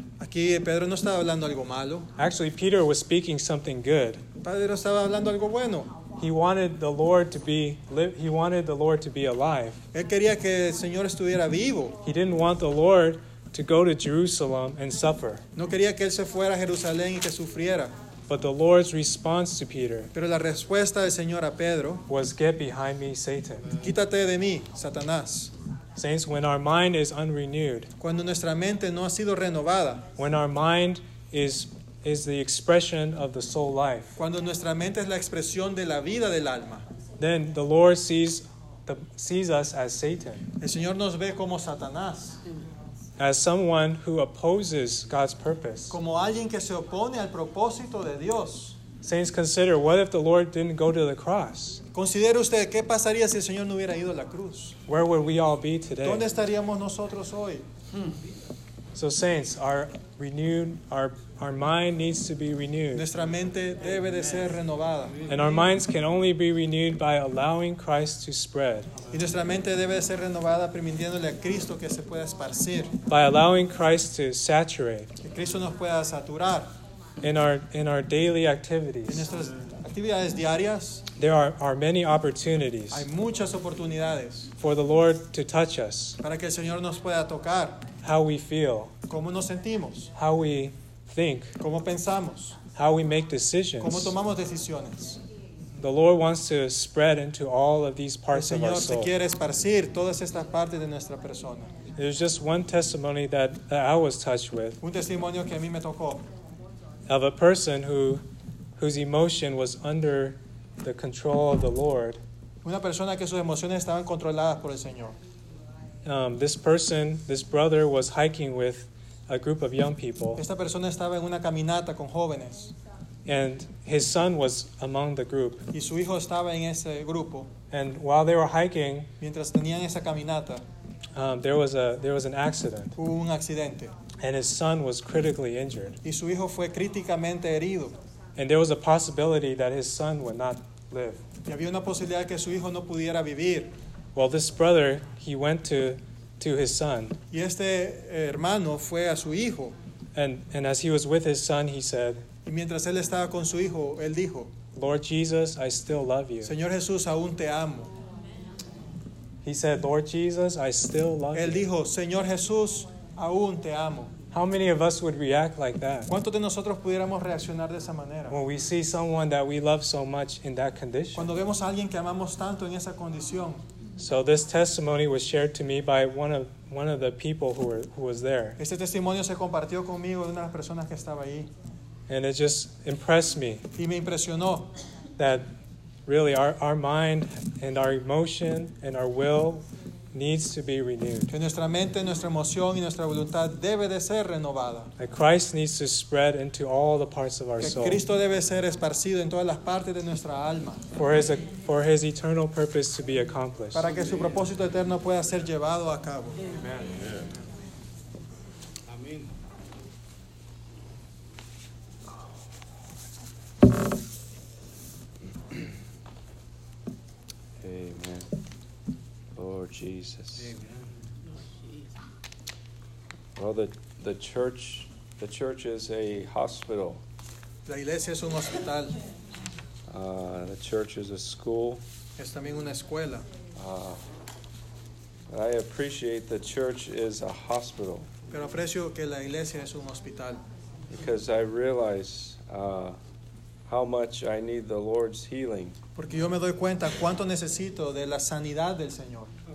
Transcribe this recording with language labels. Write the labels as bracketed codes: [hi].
[es] Aquí Pedro no estaba hablando algo malo. [en] Actually, Peter was speaking something good. [es] Pedro estaba hablando algo bueno. [en] He wanted the Lord to be alive. [es] Él quería que el Señor estuviera vivo. [en] He didn't want the Lord to go to Jerusalem and suffer. [es] No quería que él se fuera a Jerusalén y que sufriera. [en] But the Lord's response to Peter, [es] pero la respuesta del Señor a Pedro, [en] was get behind me, Satan. [es] Quítate de mí, Satanás. [en] Saints, when our mind is unrenewed, [es] cuando nuestra mente no ha sido renovada, [en] when our mind is the expression of the soul life, [es] cuando nuestra mente es la expresión de la vida del alma, [en] then the Lord sees us as Satan. [es] El Señor nos ve como Satanás. [en] As someone who opposes God's purpose. [es] Como alguien que se opone al propósito de Dios. [en] Saints, consider, what if the Lord didn't go to the cross? [es] Considere usted, ¿qué pasaría si el Señor no hubiera ido a la cruz? [en] Where would we all be today? [es] ¿Dónde estaríamos nosotros hoy? [en] So saints, our mind needs to be renewed. [es] Nuestra mente debe de ser renovada. [en] And our minds can only be renewed by allowing Christ to spread. [es] Y nuestra mente debe de ser renovada permitiéndole a Cristo que se pueda esparcir. [en] By allowing Christ to saturate. [es] Que Cristo nos pueda saturar. [en] In our daily activities. [es] En nuestras actividades diarias. [en] There are many opportunities. [es] Hay muchas oportunidades. [en] For the Lord to touch us. [es] Para que el Señor nos pueda tocar. [en] How we feel. [es] ¿Cómo nos sentimos? [en] How we think. [es] ¿Cómo pensamos? [en] How we make decisions. [es] ¿Cómo tomamos decisiones? [en] The Lord wants to spread into all of these parts of our soul. [es] El Señor quiere esparcir todas estas partes de nuestra persona. [en] There's just one testimony that I was touched with. [es] Un testimonio que a mí me tocó. [en] Of a person whose emotion was under the control of the Lord. [es] Una persona que sus emociones estaban controladas por el Señor. [en] This brother was hiking with a group of young people. [es] Esta persona estaba en una caminata con jóvenes. [en] And his son was among the group. [es] Y su hijo estaba en ese grupo. [en] And while they were hiking, [es] mientras tenían esa caminata, [en] there was an accident. [es] Hubo un accidente. [en] And his son was critically injured. [es] Y su hijo fue críticamente herido. [en] And there was a possibility that his son would not live. [es] Y había una posibilidad que su hijo no pudiera vivir. [en] Well, this brother, he went to his son. [es] Y este hermano fue a su hijo. [en] And as he was with his son, he said, [es] y mientras él estaba con su hijo, él dijo, [en] Lord Jesus, I still love you. [es] Señor Jesús, aún te amo. [en] He said, Lord Jesus, I still love [es] él [en] you. [es] Él dijo, Señor Jesús, aún te amo. [en] How many of us would react like that? [es] ¿Cuántos de nosotros pudiéramos reaccionar de esa manera? [en] When we see someone that we love so much in that condition. [es] Cuando vemos a alguien que amamos tanto en esa condición. [en] So this testimony was shared to me by one of the people who was there. [es] Este testimonio se compartió conmigo de una de las personas que estaba ahí. [en] And it just impressed me. [es] Y me impresionó. [en] That really our mind and our emotion and our will needs to be renewed. [es] Que nuestra mente, nuestra emoción y nuestra voluntad debe de ser renovada. [en] That Christ needs to spread into all the parts of our soul. [es] Que Cristo debe ser esparcido en todas las partes de nuestra alma. [en] For his eternal purpose to be accomplished. [es] Para que su propósito eterno pueda ser llevado a cabo. [en] Amen. [es] Amén. [en] Amen. Lord Jesus. Amen. Well, the church is a hospital. [es] La iglesia es un hospital. [en] The church is a school. [es] Es también una escuela. [en] I appreciate the church is a hospital. [es] Pero aprecio que la iglesia es un hospital. [en] Because I realize how much I need the Lord's healing. [es] Porque yo me doy cuenta cuánto necesito de la sanidad del Señor.